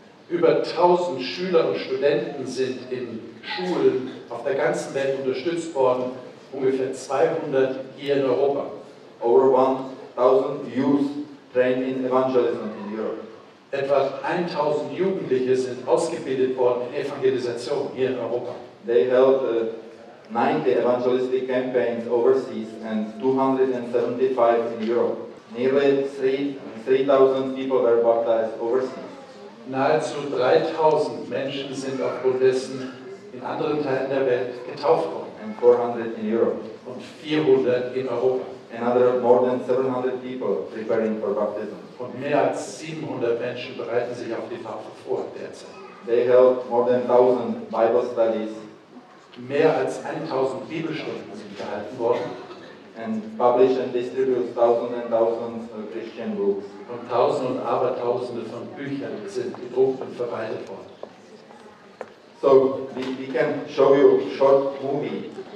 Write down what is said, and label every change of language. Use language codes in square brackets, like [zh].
[de] Über 1000 Schüler und Studenten sind in Schulen auf der ganzen Welt unterstützt worden, ungefähr 200 hier in Europa. [en] Over 1000 youth trained in evangelism in Europe. [de] Etwa 1000 Jugendliche sind ausgebildet worden in Evangelisation hier in Europa. [en] They held 90 evangelistic campaigns overseas and 275 in Europe. Nearly 3000 people were baptized overseas. [de] Nahezu 3000 Menschen sind aufgrund dessen in anderen Teilen der Welt getauft worden. [en] And 400 in Europe. [de] Und 400 in Europa. [en] Another more than 700 people preparing for baptism. [de] Und mehr als 700 Menschen bereiten sich auf die Taufe vor derzeit. [en] They held more than 1000 Bible studies. [de] Mehr als 1000 Bibelstunden sind gehalten worden. [en] And publish and distribute thousands and thousands of Christian books. [de] Und tausende und abertausende von Büchern sind gedruckt und verbreitet worden. [en] So, we can show you a short movie